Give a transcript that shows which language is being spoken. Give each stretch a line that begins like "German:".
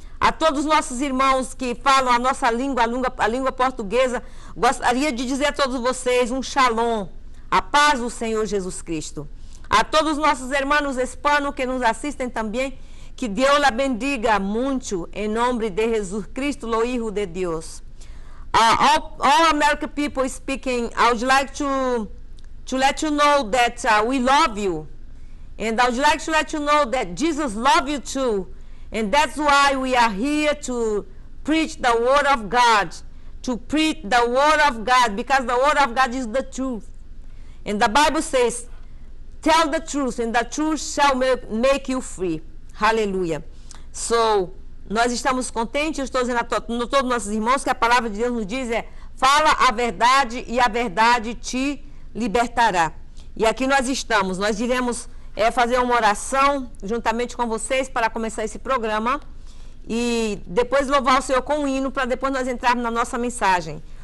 Portuguese: A todos os nossos irmãos que falam a nossa língua, a língua portuguesa, gostaria de dizer a todos vocês um shalom, a paz do Senhor Jesus Cristo. A todos os nossos irmãos hispanos que nos assistem também, que Deus
Spanish: la bendiga
Portuguese: muito em nome de Jesus Cristo, o Hijo de Deus.
English: All American people speaking, I would like to let you know that we love you. And I would like to let you know that Jesus loves you too. And that's why we are here to preach the word of God, to preach the word of God, because the word of God is the truth. And the Bible says, tell the truth, and the truth shall make you free. Hallelujah.
Portuguese: So, nós estamos contentes, estou dizendo a todos nossos irmãos que a palavra de Deus nos diz é: fala a verdade e a verdade te libertará. E aqui nós estamos, nós iremos fazer uma oração juntamente com vocês para começar esse programa e depois louvar o Senhor com um hino para depois nós entrarmos na nossa mensagem.